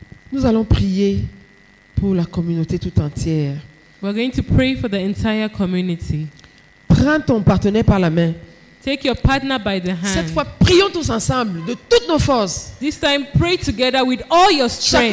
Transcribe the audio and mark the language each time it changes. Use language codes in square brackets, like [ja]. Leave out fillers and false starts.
[fr] Nous allons prier pour la communauté tout entière. [en] We're going to pray for the entire community. [fr] Prends ton partenaire par la main. [en] Take your partner by the hand. [fr] Cette fois, prions tous ensemble de toutes nos forces. [en] This time, pray together with all your strength.